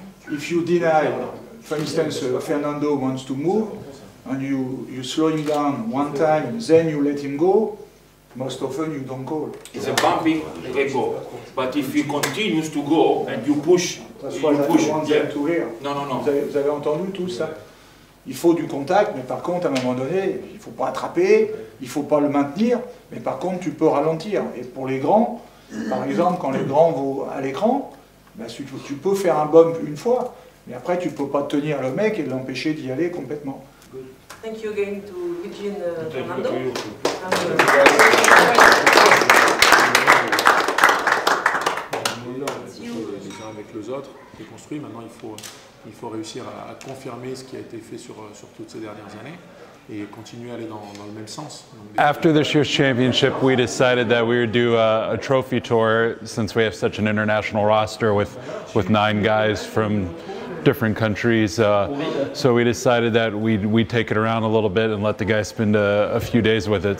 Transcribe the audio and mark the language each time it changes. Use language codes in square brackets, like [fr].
[en] If you deny, for instance, Fernando wants to move, and you slow him down one time, then you let him go, most often you don't go. It's a bumping ego. But if he continues to go and you push, that's why you push, want them to hear. No. [fr] Vous avez entendu tout ça? Il faut du contact, mais par contre, à un moment donné, il ne faut pas attraper, il ne faut pas le maintenir, mais par contre, tu peux ralentir. Et pour les grands, par exemple, quand les grands vont à l'écran, ben, tu peux faire un bump une fois, mais après, tu ne peux pas tenir le mec et l'empêcher d'y aller complètement. [en] Thank you again to Eugene Fernando. [fr] Les uns avec les autres, c'est construit, maintenant il faut réussir à confirmer ce qui a été fait sur toutes ces dernières années et continuer à aller dans le même sens. [en] After this year's championship, we decided that we would do a trophy tour since we have such an international roster with 9 guys from different countries. So we decided that we'd take it around a little bit and let the guys spend a few days with it.